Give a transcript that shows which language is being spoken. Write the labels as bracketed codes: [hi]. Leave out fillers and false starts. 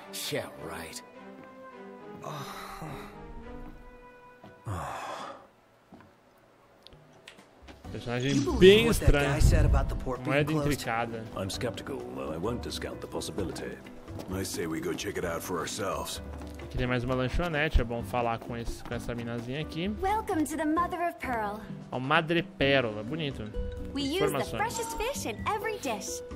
[en] Yeah, right. [pt] Personagem bem estranha. Moeda intricada. [en] I'm skeptical, though I won't discount the possibility. I say we go check it out for ourselves. [pt] Aqui tem mais uma lanchonete, é bom falar com essa minazinha aqui. [en] Welcome to the Mother of Pearl. [pt] Ó, Madre Pérola, bonito. [en] We use the freshest fish in every dish.